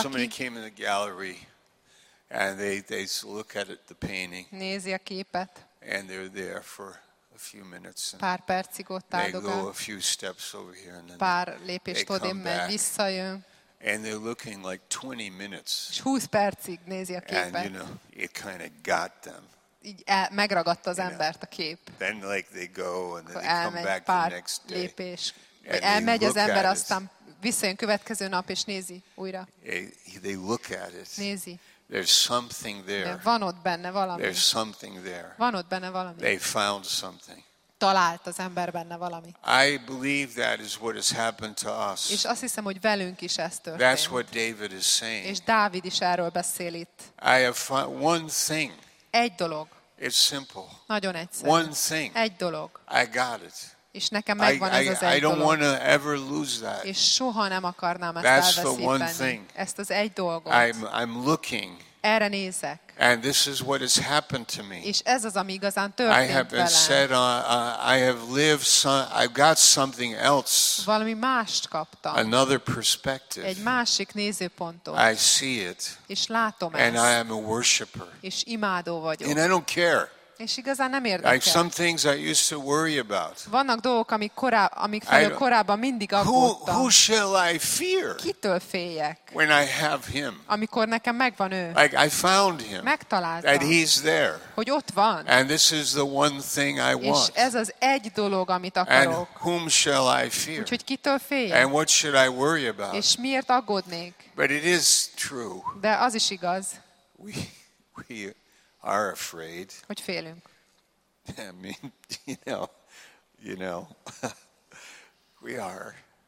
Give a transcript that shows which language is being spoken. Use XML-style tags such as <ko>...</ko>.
<en>Somebody came in the gallery and they look at it, the painting.</en> <hu>Nézi a képet.</hu> <en>And they're there for a few minutes.</en> <hu>Pár percig ott áldogál.</hu> <en>They go a few steps over here and then</en> <hu>pár lépést odébb megy, visszajön.</hu> <en>And they're looking like 20 minutes.</en> <hu>És 20 percig nézi a képet.</hu> <en>And you know, it kind of got them.</en> <hu>Így megragadta az embert a kép.</hu> <en>Then like they go and then they come back the next day.</en> <hu>Lépés. Elmegy az ember, aztán visszajön következő nap és nézi újra.</hu> <en>They look at it.</en> <hu>Nézi.</hu> <en>There's something there.</en> <hu>De van ott benne valami.</hu> <en>There's something there.</en> <hu>Van ott benne valami.</hu> <en>They found something.</en> <hu>Talált az ember benne valami.</hu> <en>I believe that is what has happened to us.</en> <hu>És azt hiszem, hogy velünk is ez történt.</hu> <en>That's what David is saying.</en> <hu>És Dávid is erről beszél itt.</hu> <en>I have found one thing.</en> <hu>Egy dolog.</hu> <en>It's simple.</en> <hu>Nagyon egyszerű.</hu> <en>One thing.</en> <hu>Egy dolog.</hu> <en>I got it.</en> <hu>És nekem megvan ez az egy</hu> <en>I don't</en> <hu>dolog.</hu> <en>Want to ever lose that.</en> <hu>És soha nem akarnám ezt</hu> <en>That's</en> <hu>elveszíteni.</hu> <en>The one thing.</en> <hu>Ezt az egy dolgot.</hu> <en>I'm looking.</en> <hu>Erre nézek.</hu> <en>And this is what has happened to me.</en> <hu>És ez az, ami igazán történt velem.</hu> <en>I have said I have lived some, I've got something else.</en> <hu>Valami mást kaptam.</hu> <en>Another perspective.</en> <hu>Egy másik nézőpontot.</hu> <en>I see it.</en> <hu>És látom ezt.</hu> <en>And I am a worshipper.</en> <hu>És imádó vagyok.</hu> <en>And I don't care.</en> <hu>És igazán nem érdekel.</hu> <en>Like some things I used to worry about.</en> <hu>Vannak dolgok, amik felől korábban mindig aggódtam.</hu> <en>Who shall I fear?</en> <hu>Kitől féljek?</hu> <en>When I have him.</en> <hu>Amikor nekem megvan ő.</hu> <en>Like I found him.</en> <hu>Megtaláltam.</hu> <en>And he's there.</en> <hu>Hogy ott van.</hu> <en>And this is the one thing I want.</en> <hu>És ez az egy dolog, amit akarok.</hu> <en>And whom shall I fear?</en> <hu>Úgyhogy kitől féljek?</hu> <en>And what should I worry about?</en> <hu>És miért aggódnék?</hu> <en>But it is true.</en> <hu>De az is igaz.</hu> <en>We are afraid.</en> <hu>Hogy félünk.</hu> <en>I mean, you know, we are.</en>